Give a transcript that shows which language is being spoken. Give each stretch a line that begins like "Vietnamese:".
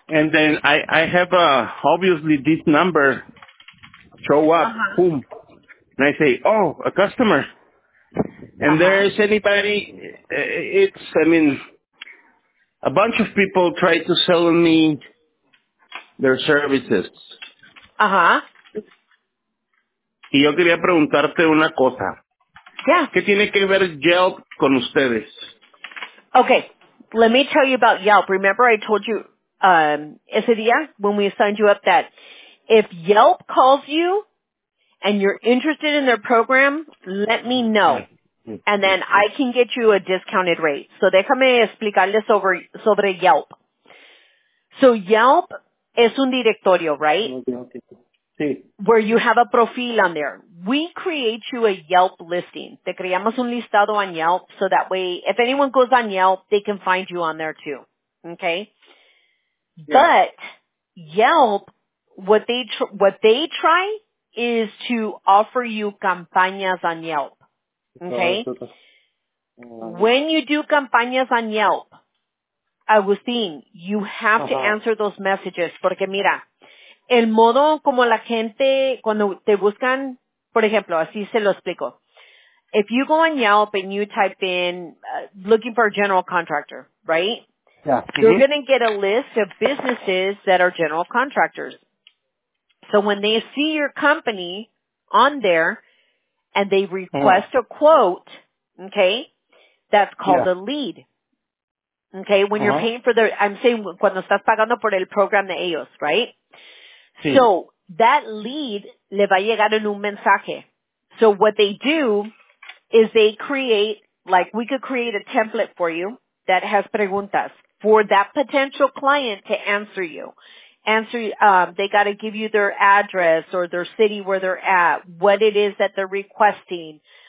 English: And then I have obviously this number show up. Uh-huh. Boom. And I say, oh, a customer. And uh-huh. There's anybody, it's, I mean, a bunch of people try to sell me their services. Uh-huh.
Spanish: Y yo quería preguntarte una cosa.
English: Yeah.
Spanish: ¿Qué tiene que ver Yelp con ustedes?
English: Okay, let me tell you about Yelp. Remember I told you
Spanish: ese día
English: when we signed you up that if Yelp calls you and you're interested in their program, let me know. And then I can get you a discounted rate. So
Spanish: déjame explicarles sobre Yelp. So Yelp es un directorio, right? Sí.
English: Where you have a profile on there. We create you a Yelp listing.
Spanish: Te creamos un listado
English: on Yelp, so that way, if anyone goes on Yelp, they can find you on there too. Okay? Yeah. But Yelp, what they try is to offer you campañas on Yelp. Okay? When you do campañas on Yelp, Agustín, you have uh-huh. to answer those messages.
Spanish: Porque mira, el modo como la gente, cuando te buscan, por ejemplo, así se lo explico.
English: If you go on Yelp and you type in looking for a general contractor, right? Yeah. You're mm-hmm. going to get a list of businesses that are general contractors. So when they see your company on there, and they request yeah. a quote, okay, that's called yeah. a lead. Okay, when uh-huh. you're paying for I'm saying
Spanish: cuando estás pagando por el program de ellos,
English: right?
Spanish: Sí.
English: So that lead
Spanish: le va a llegar en un mensaje.
English: So what they do is they create, like we could create a template for you that has preguntas for that potential client to answer you. They got to give you their address or their city where they're at, what it is that they're requesting.